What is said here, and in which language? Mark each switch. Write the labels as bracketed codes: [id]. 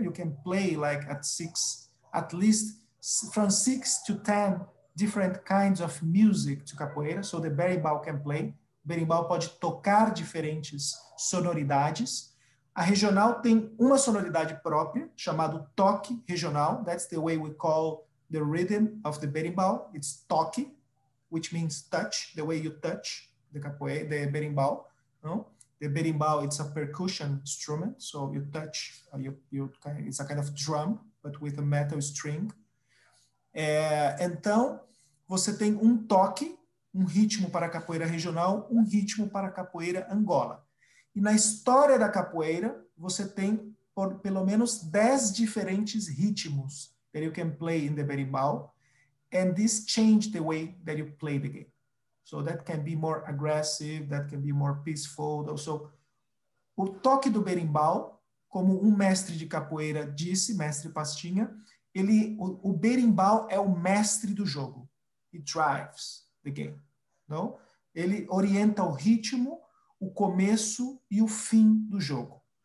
[en] You can play like at least from six to ten different kinds of music to capoeira. So the berimbau can play. [pt] Berimbau pode tocar diferentes sonoridades. A regional tem uma sonoridade própria chamado toque regional. [en] That's the way we call the rhythm of the berimbau. It's toque, which means touch, the way you touch the capoeira, the berimbau, no? The berimbau, it's a percussion instrument, so you touch, you kind of, it's a kind of drum, but with a metal string. [pt] É, então, você tem um toque, um ritmo para a capoeira regional, um ritmo para a capoeira Angola. E na história da capoeira, você tem pelo menos 10 diferentes ritmos [en] that you can play in the berimbau, and this changed the way that you play the game. So that can be more aggressive, that can be more peaceful. [pt] So, o toque do berimbau, como um mestre de capoeira disse, mestre Pastinha, ele, o berimbau é o mestre do jogo. [en] He drives the game. [pt] No? Ele orienta o ritmo, o começo e o fim do jogo.